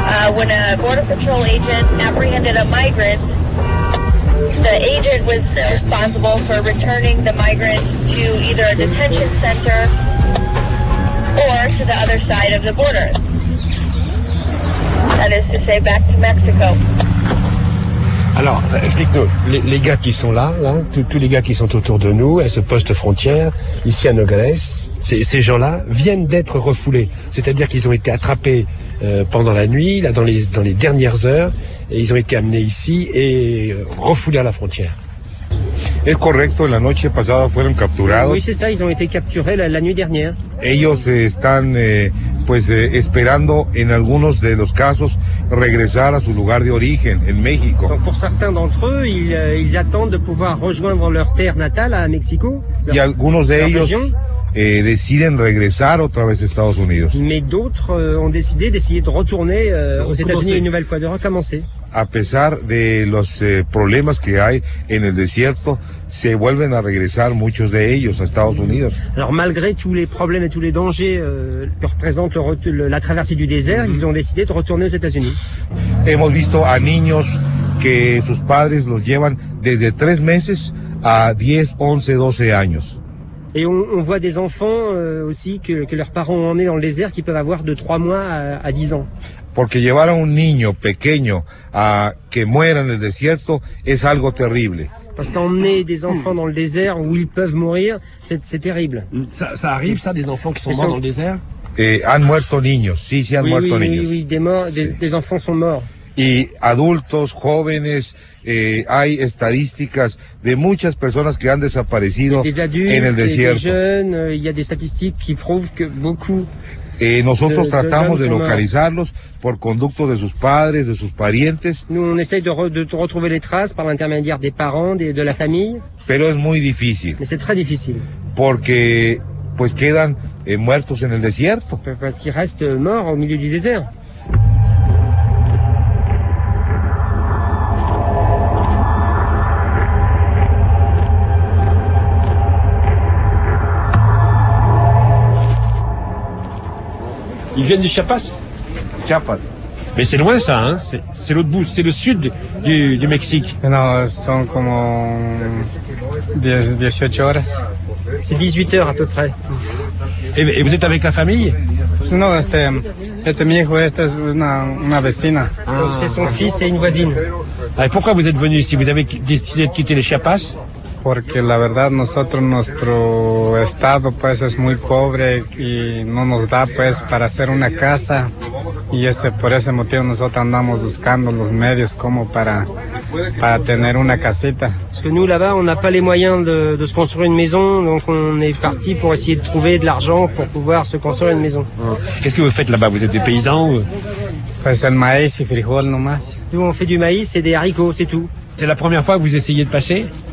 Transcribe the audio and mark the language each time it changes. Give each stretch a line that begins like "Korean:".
English: When a Border Patrol agent apprehended a migrant, the agent was responsible for returning the migrant to either a detention center or to the other side of the border. That is to say, back to Mexico.
French: Alors, explique-nous, les gars qui sont là, tous les gars qui sont autour de nous, à ce poste frontière, ici à Nogales, ces gens-là viennent d'être refoulés. C'est-à-dire qu'ils ont été attrapés pendant la nuit, là dans les dernières heures, et ils ont été amenés ici et refoulés à la frontière.
Spanish: Es correcto, la noche pasada fueron capturados.
French: Oui, c'est ça, ils ont été capturés la nuit dernière.
Spanish: Ellos están esperando en algunos de los casos regresar a su lugar de origen en México.
French: Donc pour certains d'entre eux, ils attendent de pouvoir rejoindre leur terre natale à Mexico.
Spanish: Y algunos de ellos deciden regresar otra vez a Estados Unidos.
French: Mais d'autres ont décidé d'essayer de retourner aux États-Unis une nouvelle fois, de recommencer.
Spanish: A pesar de los problemas que hay en el desierto, se vuelven a regresar muchos de ellos a Estados Unidos.
French: Alors malgré tous les problèmes et tous les dangers que représente la traversée du désert, ils ont décidé de retourner aux États-Unis.
Spanish: Hemos visto a niños que sus padres los llevan desde 3 meses a 10, 11, 12 años.
French: Et on voit des enfants aussi que leurs parents ont emmenés dans le désert qui peuvent avoir de 3 mois à 10 ans.
Spanish: Porque llevar a un niño pequeño a que muera en el desierto es algo terrible.
French: Parce qu'emmener des enfants dans le désert où ils peuvent mourir, c'est terrible. Ça arrive ça, des enfants qui sont morts dans le désert?
Spanish: Han muerto niños, sí, sí, han muerto niños.
French: Oui, des enfants sont morts.
Spanish: Y adultos, jóvenes, hay estadísticas de muchas personas que han desaparecido en el desierto.
French: Des jeunes,
Spanish: y hay estadísticas que prueban que beaucoup. Nosotros tratamos de localizarlos por conducto de sus padres, de sus parientes.
French: Nous, on essaye de retrouver les traces par l'intermédiaire des parents, de la famille.
Spanish: Pero es muy difícil.
French: Mais c'est très difficile.
Spanish: Porque pues quedan muertos en el desierto.
French: Parce qu'ils restent morts au milieu du désert. Ils viennent du Chiapas? Chiapas. Mais c'est loin ça, hein? C'est l'autre bout, c'est le sud du Mexique. Mais non, c'est comme 18 heures. C'est 18 heures à peu près. Et vous êtes avec la famille? Non, c'est mon fils, c'est une vecina. C'est son fils et une voisine. Ah, et pourquoi vous êtes venu ici? Vous avez décidé de quitter le Chiapas?
Spanish: Porque la verdad nosotros nuestro estado pues es muy pobre y no nos da pues para hacer una casa y ese por ese motivo nosotros andamos buscando los medios como para tener una casita.
French: Parce que nous là-bas on n'a pas les moyens de se construire une maison, donc on est parti pour essayer de trouver de l'argent pour pouvoir se construire une maison. Qu'est-ce que vous faites là-bas? Vous êtes des paysans ou?
Spanish: Pues el maíz y frijol nomás.
French: Nous on fait du maïs et des haricots, c'est tout. C'est la première fois que vous essayez de passer?